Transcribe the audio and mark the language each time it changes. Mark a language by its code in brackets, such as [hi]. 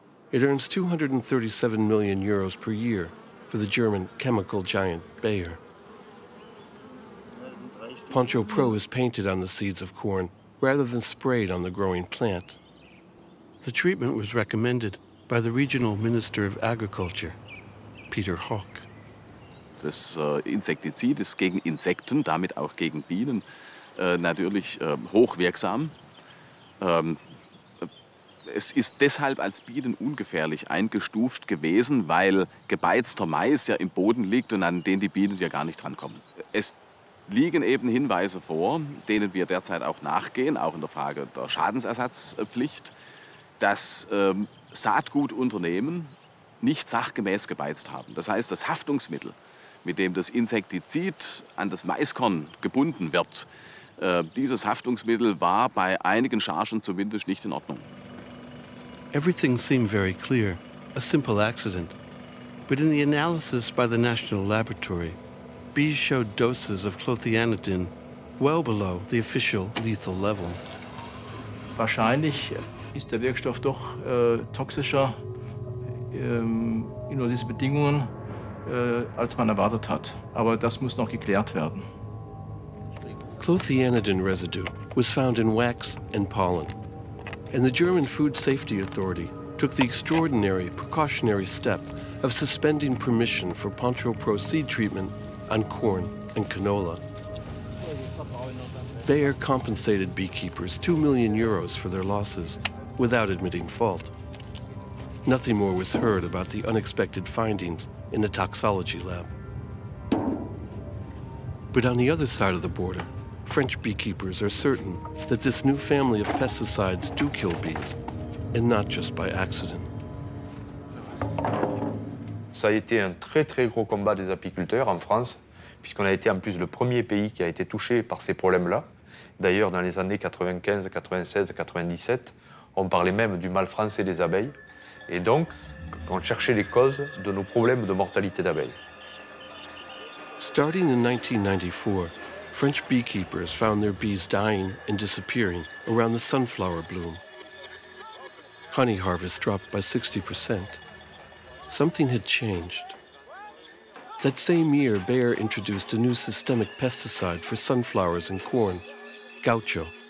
[en] It earns 237 million euros per year for the German chemical giant Bayer. Poncho Pro is painted on the seeds of corn rather than sprayed on the growing plant. The treatment was recommended by the regional minister of agriculture, Peter Hawk. [de] Das Insektizid ist gegen Insekten, damit auch gegen Bienen, natürlich hochwirksam. Es ist deshalb als Bienen ungefährlich eingestuft gewesen, weil gebeizter Mais ja im Boden liegt und an den die Bienen ja gar nicht drankommen. Es liegen eben Hinweise vor, denen wir derzeit auch nachgehen, auch in der Frage der Schadensersatzpflicht, dass Saatgutunternehmen nicht sachgemäß gebeizt haben. Das heißt, das Haftungsmittel, mit dem das Insektizid an das Maiskorn gebunden wird, dieses Haftungsmittel war bei einigen Chargen zumindest nicht in Ordnung. [en] Everything seemed very clear, a simple accident. But in the analysis by the National Laboratory, bees showed doses of clothianidin well below the official lethal level. [de] Wahrscheinlich ist der Wirkstoff doch toxischer in diesen Bedingungen, als man erwartet hat. Aber das muss noch geklärt werden. [en] Clothianidin residue was found in wax and pollen. And the German Food Safety Authority took the extraordinary precautionary step of suspending permission for Poncho Pro seed treatment on corn and canola. Bayer compensated beekeepers 2 million euros for their losses without admitting fault. Nothing more was heard about the unexpected findings in the toxicology lab. But on the other side of the border, French beekeepers are certain that this new family of pesticides do kill bees, and not just by accident. [fr] Ça a été un très très gros combat des apiculteurs en France, puisqu'on a été en plus le premier pays qui a été touché par ces problèmes-là. D'ailleurs, dans les années 95, 96, 97, on parlait même du mal français des abeilles, et donc on cherchait les causes de nos problèmes de mortalité d'abeilles. [en] Starting in 1994. French beekeepers found their bees dying and disappearing around the sunflower bloom. Honey harvest dropped by 60%. Something had changed. That same year, Bayer introduced a new systemic pesticide for sunflowers and corn, Gaucho.